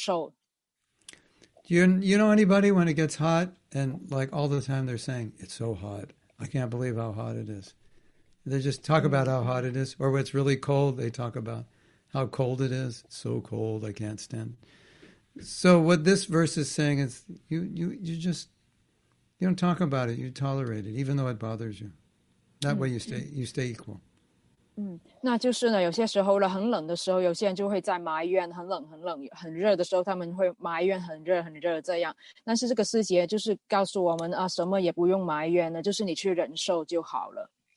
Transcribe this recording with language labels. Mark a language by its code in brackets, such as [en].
[zh] 那这个意思就是不是你感觉冷热是一样的，就是而是呢，你对它的忍受可以忍冷热的时候，你也可以去忍受。 [en] Do you know anybody when it gets hot and like all the time they're saying it's so hot, I can't believe how hot it is. They just talk about how hot it is, or when it's really cold, they talk about how cold it is. It's so cold, I can't stand. So what this verse is saying is you don't talk about it, you tolerate it, even though it bothers you. That way you stay equal. [zh] 那就是呢，有些时候呢，很冷的时候，有些人就会在埋怨，很冷很热的时候，他们会埋怨很热很热这样。但是这个细节就是告诉我们，什么也不用埋怨了，就是你去忍受就好了。